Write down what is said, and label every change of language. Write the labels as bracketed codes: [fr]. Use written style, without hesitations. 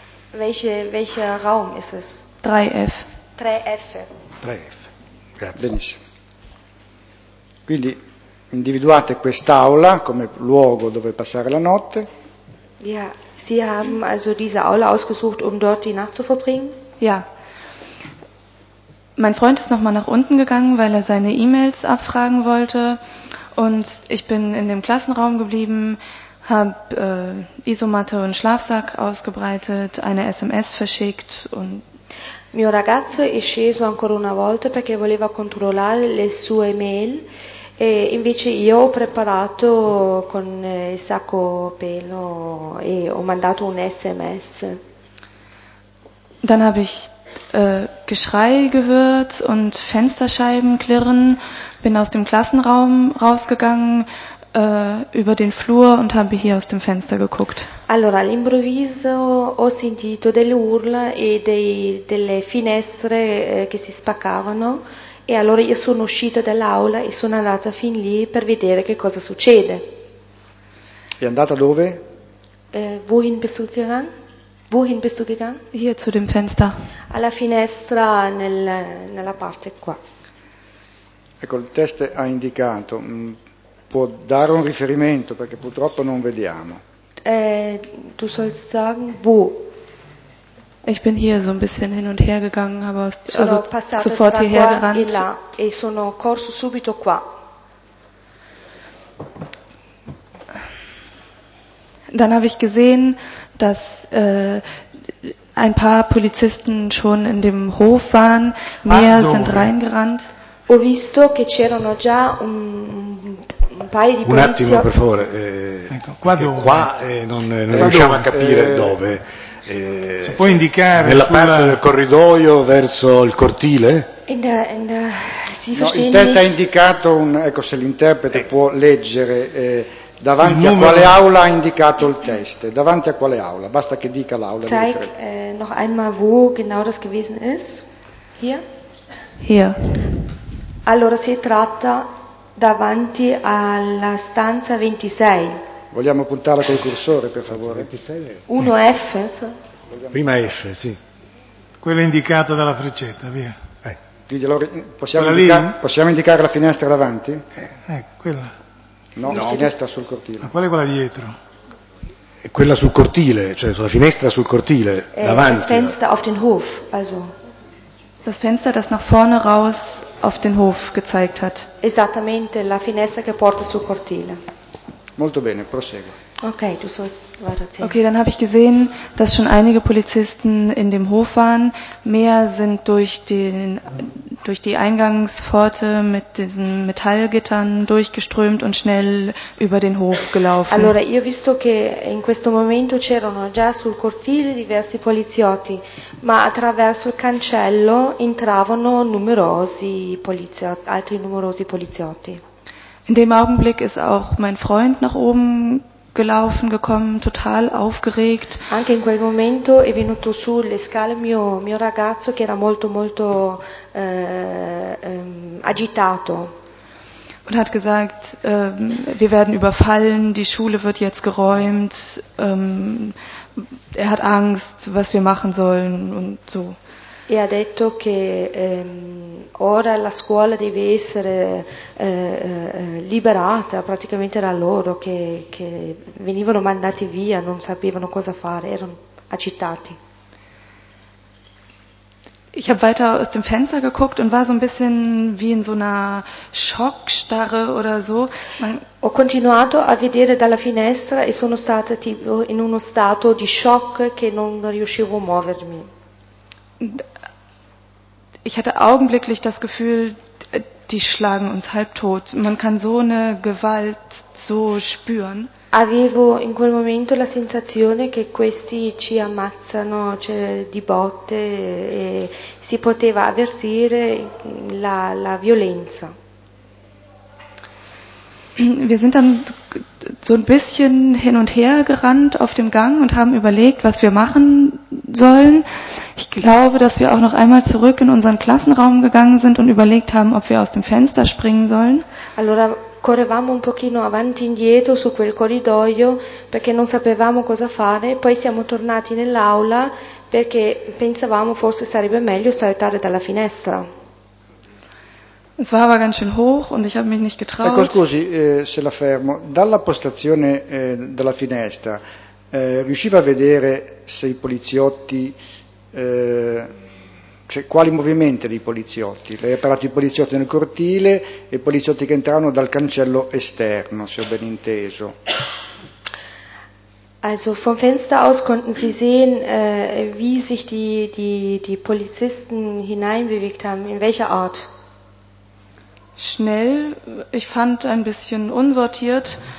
[de] Welche Raum ist es? 3F. 3F. [it] 3F. Grazie. Benissimo. Quindi individuate quest'aula come luogo dove passare la notte. [de] Ja, Sie haben also diese Aula ausgesucht, um dort die Nacht zu verbringen? Ja. Mein Freund ist nochmal nach unten gegangen, weil er seine E-Mails abfragen wollte. Und ich bin in dem Klassenraum geblieben, habe Isomatte und Schlafsack ausgebreitet, eine SMS verschickt und... [it] Mio ragazzo è sceso ancora una volta perché voleva controllare le sue mail e invece io ho preparato con il sacco pelo e ho mandato un SMS. [de] Dann habe ich Geschrei gehört und Fensterscheiben klirren, bin aus dem Klassenraum rausgegangen, über den Flur und habe hier aus dem Fenster geguckt. [it] Allora, all'improvviso ho sentito delle urla e delle finestre che si spaccavano e allora io sono uscita dall'aula e sono andata fin lì per vedere che cosa succede. È andata dove? [de] Wohin bist du gegangen? Wohin bist du gegangen? Hier zu dem Fenster. [it] Alla finestra nella parte qua. Ecco, il test ha indicato, può dare un riferimento perché purtroppo non vediamo. [de] Tu sollst sagen wo. Ich bin hier so ein bisschen hin und her gegangen, aber also sofort hierher gerannt. [it] E sono corso subito qua. [de] Dann habe ich gesehen, dass ein paar Polizisten schon in dem Hof waren, mehr sind reingerannt. [it] Ho visto che c'erano già un paio di polizia. Un attimo, per favore, non riusciamo a capire dove. Si può indicare nella parte del corridoio verso il cortile? Il test ha indicato, se l'interprete può leggere... davanti a quale aula ha indicato il test? Davanti a quale aula? Basta che dica l'aula. [de] Zeig noch einmal wo genau das gewesen ist. Hier? Hier. [it] Allora si tratta davanti alla stanza 26. Vogliamo puntare col cursore, per favore. [de] 26. 1F. So. [it] Prima F, sì. Quella indicata dalla freccetta, via. Quindi allora possiamo indicare la finestra davanti? Quella. No, la finestra sul cortile. Ma qual è quella dietro? È quella sul cortile, cioè sulla finestra sul cortile, davanti. [de] Das Fenster auf den Hof, also. Das Fenster, das nach vorne raus auf den Hof gezeigt hat. [it] Esattamente, la finestra che porta sul cortile. Molto bene, prosegue. [de] Okay, du sollst weiterziehen. Okay, dann habe ich gesehen, dass schon einige Polizisten in dem Hof waren. Mehr sind durch die Eingangspforte mit diesen Metallgittern durchgeströmt und schnell über den Hof gelaufen. [it] Allora, io ho visto che in questo momento c'erano già sul cortile diversi poliziotti, ma attraverso il cancello entravano altri numerosi poliziotti. [de] In dem Augenblick ist auch mein Freund nach oben gelaufen gekommen, total aufgeregt. [it] Anche in quel momento è venuto su le scale mio ragazzo che era molto agitato. [de] Und hat gesagt, wir werden überfallen, die Schule wird jetzt geräumt. Er hat Angst, was wir machen sollen und so. [it] E ha detto che ora la scuola deve essere liberata praticamente da loro, che venivano mandati via, non sapevano cosa fare, erano agitati. [de] Ich habe weiter aus dem Fenster geguckt und war so ein bisschen wie in so einer Schockstarre oder so. [it] Ho continuato a vedere dalla finestra e sono stata tipo in uno stato di shock che non riuscivo a muovermi. [de] Ich hatte augenblicklich das Gefühl, die schlagen uns halbtot. Man kann so eine Gewalt so spüren. [it] Avevo in quel momento la sensazione che questi ci ammazzano, cioè di botte, e si poteva avvertire la violenza. [de] Wir sind dann so ein bisschen hin und her gerannt auf dem Gang und haben überlegt, was wir machen sollen. Ich glaube, dass wir auch noch einmal zurück in unseren Klassenraum gegangen sind und überlegt haben, ob wir aus dem Fenster springen sollen. [it] Allora correvamo un pochino avanti indietro su quel corridoio perché non sapevamo cosa fare. Poi siamo tornati nell'aula perché pensavamo forse sarebbe meglio saltare dalla finestra. [de] Es war aber ganz schön hoch und ich habe mich nicht getraut. [it] Ecco, scusi, se la fermo. Dalla postazione della finestra, riusciva a vedere se i poliziotti, cioè quali movimenti dei poliziotti? Lei ha parlato di poliziotti nel cortile e poliziotti che entravano dal cancello esterno, se ho ben inteso. [de] Also vom Fenster aus konnten Sie sehen, wie sich die Polizisten hineinbewegt haben, in welcher Art? Schnell, ich fand ein bisschen unsortiert.